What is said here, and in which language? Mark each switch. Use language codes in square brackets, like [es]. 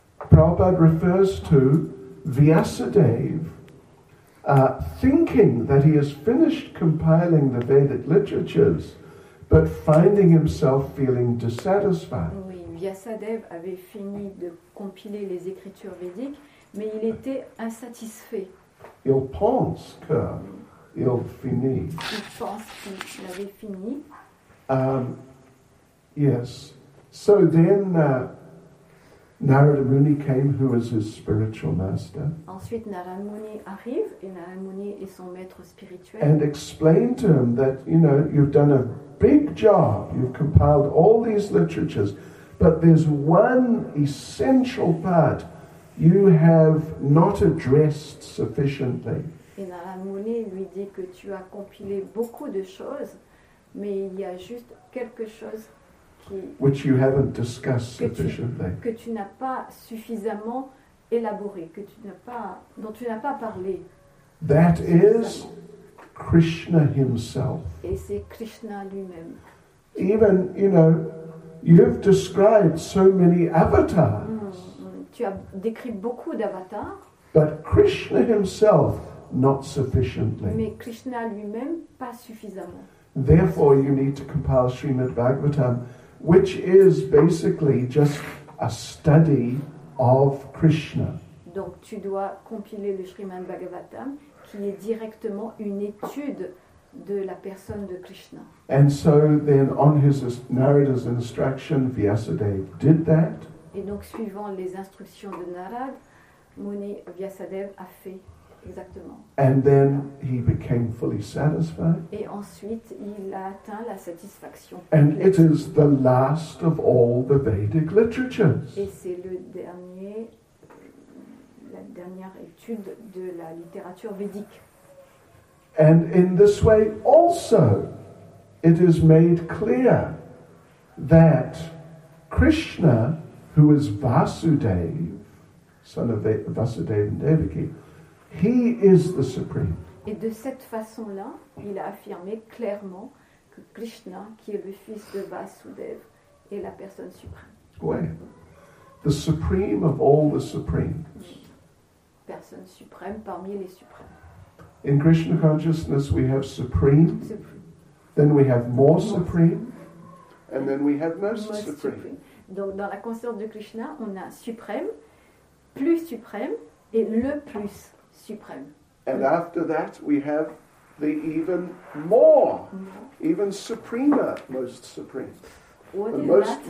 [en] Prabhupada refers to Vyasadeva thinking that he has finished compiling the Vedic literatures, but finding himself feeling dissatisfied. [fr] Oui, Vyasadeva avait fini de compiler les écritures védiques, mais il était insatisfait. Il pense que il finit. Il pense qu'il avait fini. [en] Yes. So then Narada Muni came, who was his spiritual master. [fr] Ensuite, Narada Muni arrive, et Narada Muni est son maître spirituel. [en] And explained to him that, you know, you've done a big job. You've compiled all these literatures, but there's one essential part you have not addressed sufficiently. [fr] Et Narada Muni lui dit que tu as compilé beaucoup de choses, mais il y a juste quelque chose [en] which you haven't discussed sufficiently. [fr] Que tu n'as pas suffisamment élaboré, que tu n'as pas, dont tu n'as pas parlé. [en] That is Krishna himself. [fr] Et c'est Krishna lui-même. [en] Even, you know, you've described so many avatars. [fr] Tu as décrit beaucoup d'avatars. [en] But Krishna himself, not sufficiently. [fr] Mais Krishna lui-même, pas suffisamment. [en] Therefore, you need to compile Srimad Bhagavatam, which is basically just a study of Krishna. [fr] Donc, tu dois compiler le Srimad Bhagavatam, qui est directement une étude de la personne de Krishna. [en] And so, then, on his Narada's instruction, Vyasadeva did that. [fr] Et donc, suivant les instructions de Narad, Muni Vyasadeva a fait. Exactement. [en] And then he became fully satisfied. [fr] Et ensuite, il a atteint la satisfaction. [en] And it is the last of all the Vedic literatures. [fr] Et c'est le dernier, la dernière étude de la littérature védique. [en] And in this way also, it is made clear that Krishna, who is Vasudeva, son of Vasudeva and Devaki, he is the supreme. [fr] Et de cette façon-là, il a affirmé clairement que Krishna, qui est le fils de Vasudeva, est la personne suprême. Oui. [en] The supreme of all the supremes. [fr] Personne suprême parmi les suprêmes. [en] In Krishna consciousness, we have supreme. Then we have more supreme. And then we have most supreme. [fr] Donc dans la conscience de Krishna, on a suprême, plus suprême et le plus. [en] And after that, we have the even more, even supremer, most supreme, most supreme.